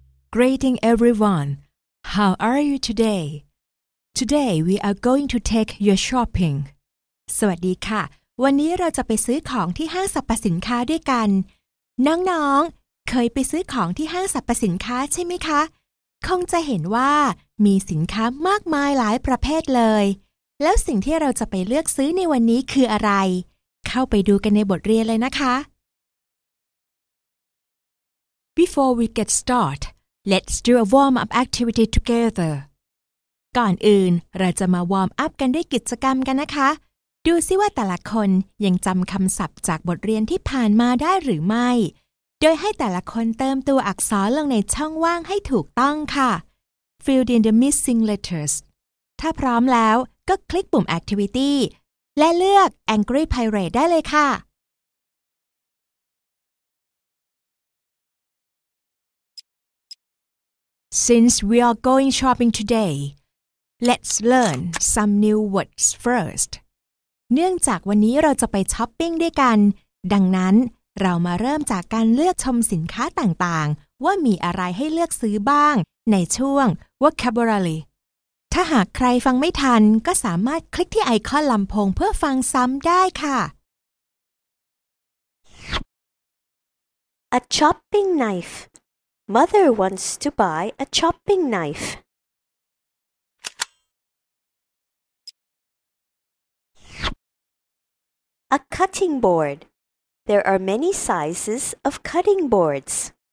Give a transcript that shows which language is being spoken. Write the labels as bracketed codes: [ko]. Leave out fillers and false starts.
[en] Greeting everyone. How are you today? Today we are going to take your shopping. [th] สวัสดีค่ะวันนี้เราจะไปซื้อของที่ห้างสรรพสินค้าด้วยกันน้องๆเคยไปซื้อของที่ห้างสรรพสินค้าใช่ไหมคะคงจะเห็นว่ามีสินค้ามากมายหลายประเภทเลยแล้วสิ่งที่เราจะไปเลือกซื้อในวันนี้คืออะไรเข้าไปดูกันในบทเรียนเลยนะคะ [en] Before we get started, let's do a warm-up activity together. [th] ก่อนอื่นเราจะมาวอร์มอัพกันด้วยกิจกรรมกันนะคะดูซิว่าแต่ละคนยังจำคำศัพท์จากบทเรียนที่ผ่านมาได้หรือไม่โดยให้แต่ละคนเติมตัวอักษรลงในช่องว่างให้ถูกต้องค่ะ [en] Fill in the missing letters. [th] ถ้าพร้อมแล้วก็คลิกปุ่ม Activity และเลือก Angry Pirate ได้เลยค่ะ [en] Since we are going shopping today, let's learn some new words first. [th] เนื่องจากวันนี้เราจะไปช้อปปิ้งด้วยกันดังนั้นเรามาเริ่มจากการเลือกชมสินค้าต่างๆว่ามีอะไรให้เลือกซื้อบ้างในช่วง Vocabulary ถ้าหากใครฟังไม่ทันก็สามารถคลิกที่ไอคอนลำโพงเพื่อฟังซ้ำได้ค่ะ [en] A chopping knife Mother wants to buy a chopping knifeA cutting board. There are many sizes of cutting boards.